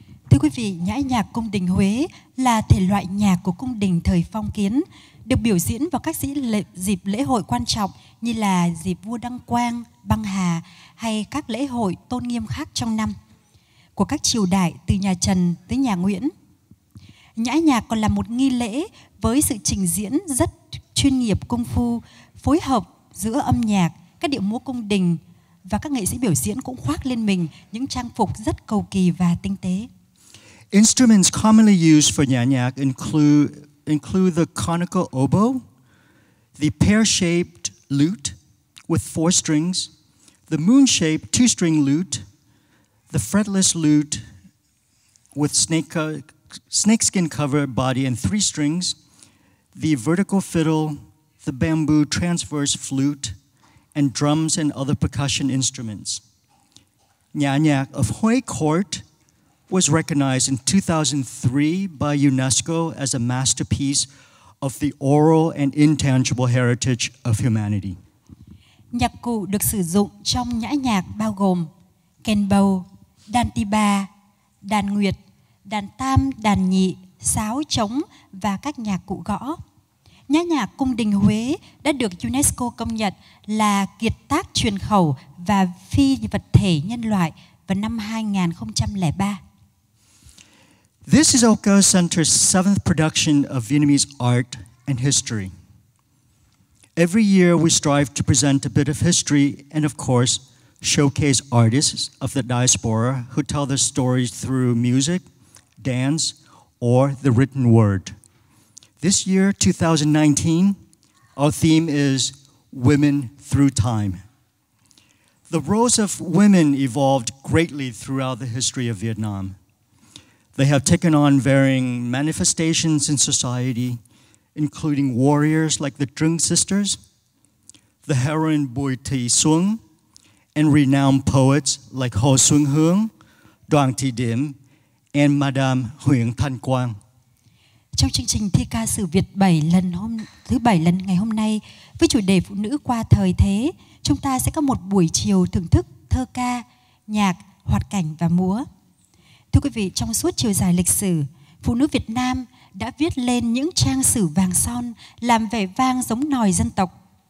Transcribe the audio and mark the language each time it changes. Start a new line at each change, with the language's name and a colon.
Vietnamese: Thưa quý vị, nhã nhạc cung đình Huế là thể loại nhạc của cung đình thời phong kiến, được biểu diễn vào các dịp lễ hội quan trọng như là dịp vua đăng quang, băng hà hay các lễ hội tôn nghiêm khác trong năm của các triều đại từ nhà Trần tới nhà Nguyễn. Nhã nhạc còn là một nghi lễ với sự trình diễn rất chuyên nghiệp công phu, phối hợp giữa âm nhạc, các điệu múa cung đình và các nghệ sĩ biểu diễn cũng khoác lên mình những trang phục rất cầu kỳ và tinh tế.
English: Instruments commonly used for nhã nhạc include the conical oboe, the pear-shaped lute with four strings, the moon-shaped two-string lute, the fretless lute with snakeskin cover body and three strings, the vertical fiddle, the bamboo transverse flute, and drums and other percussion instruments. Nhã nhạc of Huế Court was recognized in 2003 by UNESCO as a masterpiece of the oral and intangible heritage of humanity.
Vietnamese: Nhạc cụ được sử dụng trong nhã nhạc bao gồm kèn bầu, đàn tiba, đàn nguyệt, đàn tam, đàn nhị, sáo, trống và các nhạc cụ gõ. Nhã nhạc cung đình Huế đã được UNESCO công nhận là kiệt tác truyền khẩu và phi vật thể nhân loại vào năm 2003.
English: This is Oka Center's 7th production of Vietnamese art and history. Every year we strive to present a bit of history and of course showcase artists of the diaspora who tell their stories through music, dance, or the written word. This year, 2019, our theme is Women Through Time. The roles of women evolved greatly throughout the history of Vietnam. They have taken on varying manifestations in society, including warriors like the Trinh sisters, the heroine Bùi Thị Xuân, and renowned poets like Hồ Xuân Hương, Đoàn Thị Điểm, and Madame Huyền Thanh Quang.
Vietnamese: Trong chương trình thi ca sử Việt 7 lần thứ 7 lần ngày hôm nay với chủ đề phụ nữ qua thời thế, chúng ta sẽ có một buổi chiều thưởng thức thơ ca, nhạc, hoạt cảnh và múa. Thưa quý vị, trong suốt chiều dài lịch sử, phụ nữ Việt Nam đã viết lên những trang sử vàng son làm vẻ vang giống nòi dân tộc.